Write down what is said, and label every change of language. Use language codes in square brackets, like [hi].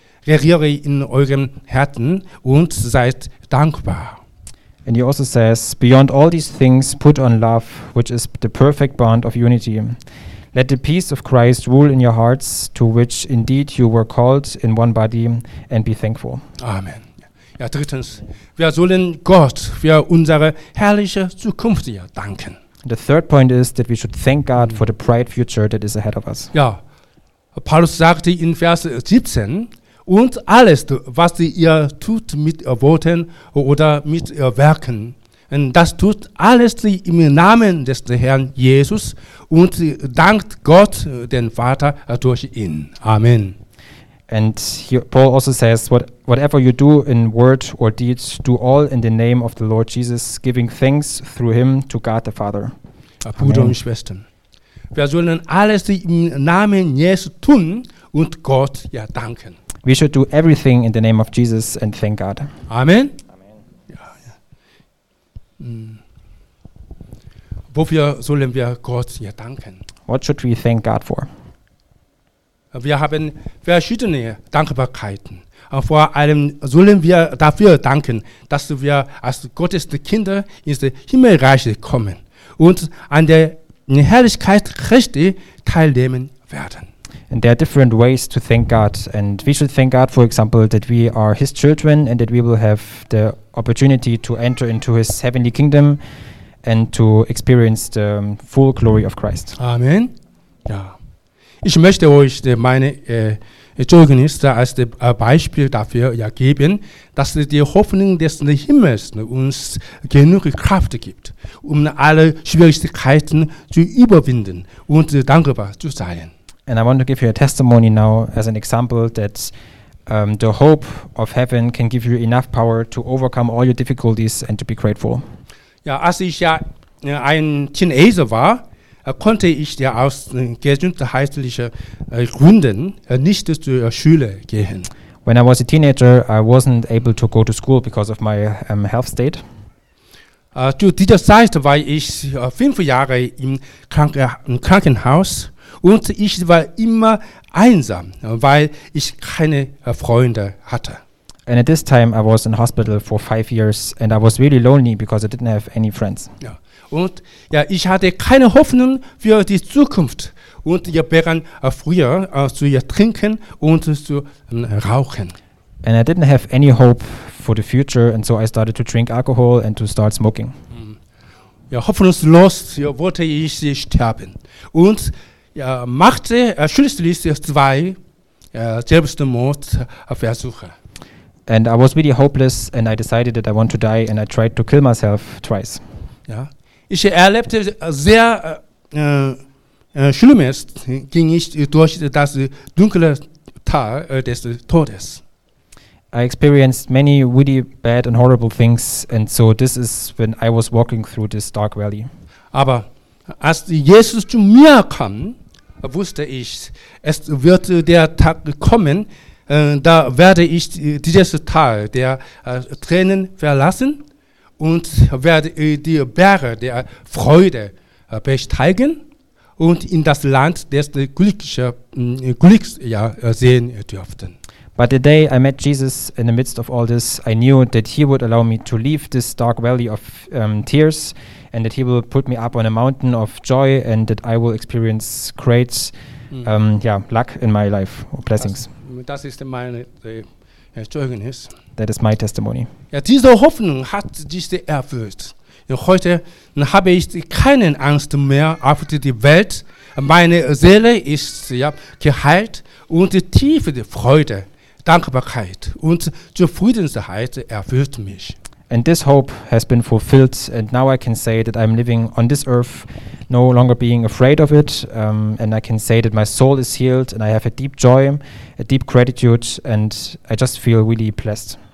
[de] Regiere in eurem Herzen und seid dankbar. [en] And he also says, beyond all these things, put on love, which is the perfect bond of unity. Let the peace of Christ rule in your hearts, to which indeed you were called in one body, and be thankful. Amen. [de] Drittens, wir sollen Gott für unsere herrliche Zukunft danken. The third point is that we should thank God for the bright future that is ahead of us. Ja, Paulus sagte in Vers 17, und alles, was ihr tut mit Worten oder mit Werken, das tut alles im Namen des Herrn Jesus und dankt Gott, den Vater, durch ihn. Amen. [en] And Paul also says, whatever you do in word or deeds, do all in the name of the Lord Jesus, giving thanks through him to God the Father. [de] Brüder und Schwestern, wir sollen alles im Namen Jesu tun und Gott danken. [en] We should do everything in the name of Jesus and thank God. Amen. [de] Wofür sollen wir Gott danken? [en] What should we thank God for? [de] Wir haben verschiedene Dankbarkeiten. Vor allem sollen wir dafür danken, dass wir als Gottes Kinder ins Himmelreich kommen und an der Herrlichkeit Christi teilnehmen werden. [en] And there are different ways to thank God. And we should thank God, for example, that we are His children and that we will have the opportunity to enter into His heavenly kingdom and to experience the full glory of Christ. [de] Amen. Ja. Ich möchte euch meine Zeugnis als Beispiel dafür geben, dass die Hoffnung des Himmels uns genug Kraft gibt, um alle Schwierigkeiten zu überwinden und dankbar zu sein. [en] And I want to give you a testimony now as an example that the hope of heaven can give you enough power to overcome all your difficulties and to be grateful. [de] Ja, als ich ja ein Teenager war, konnte ich ja aus gesundheitlichen Gründen nicht zur Schule gehen. [en] When I was a teenager, I wasn't able to go to school because of my health state. [de] Zu dieser Zeit war ich 5 Jahre im Krankenhaus und ich war immer einsam, weil ich keine Freunde hatte. [en] And at this time I was in hospital for 5 years and I was really lonely because I didn't have any friends. [de] Ja. Und ja, ich hatte keine Hoffnung für die Zukunft und ich begann früher zu trinken und zu rauchen. [en] And I didn't have any hope for the future and so I started to drink alcohol and to start smoking. [de] Ja, hoffnungslos wollte ich sterben und ja, machte schließlich 2 Selbstmordversuche. [en] And I was really hopeless and I decided that I want to die and I tried to kill myself twice. [de] Ja. Ich erlebte sehr Schlimmes, ging ich durch das dunkle Tal des Todes. [en] I experienced many really bad and horrible things and so this is when I was walking through this dark valley. [de] Aber als Jesus zu mir kam, wusste ich, es wird der Tag kommen, da werde ich dieses Tal der Tränen verlassen und werde die Berge der Freude besteigen und in das Land des Glücks ja, sehen dürften. [en] But the day I met Jesus in the midst of all this, I knew that he would allow me to leave this dark valley of tears and that he will put me up on a mountain of joy and that I will experience great luck in my life, or blessings. [de] Das ist meine Zeugnis. [en] That is my testimony. [de] Ja, diese Hoffnung hat sich erfüllt. Heute habe ich keine Angst mehr auf die Welt. Meine Seele ist ja, geheilt und die tiefe Freude, Dankbarkeit und Zufriedenheit erfüllt mich. [en] And this hope has been fulfilled and now I can say that I'm living on this earth no longer being afraid of it and I can say that my soul is healed and I have a deep joy, a deep gratitude and I just feel really blessed.